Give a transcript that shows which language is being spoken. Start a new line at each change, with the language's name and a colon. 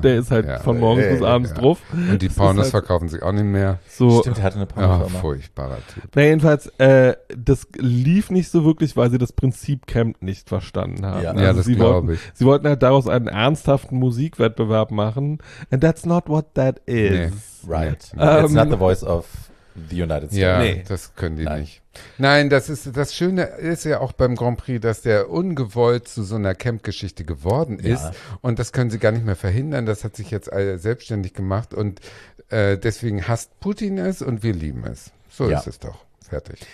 German: Der ist halt von morgens bis abends drauf. Und die Pornos verkaufen sich auch nicht mehr. So. Stimmt, der hatte eine Pornofirma. Ach, furchtbarer Typ. Naja, jedenfalls, das lief nicht so wirklich, weil sie das Prinzip Camp nicht verstanden haben. Ja, also sie wollten halt daraus einen ernsthaften Musikwettbewerb machen.
English: And that's not what that is.
German: Nee.
English: Right. It's not the voice of the United States.
German: Ja, das können die nicht. Nein, das Schöne ist ja auch beim Grand Prix, dass der ungewollt zu so einer Camp-Geschichte geworden ist. Und das können sie gar nicht mehr verhindern. Das hat sich jetzt selbstständig gemacht. Und deswegen hasst Putin es und wir lieben es. So ist es doch. Fertig.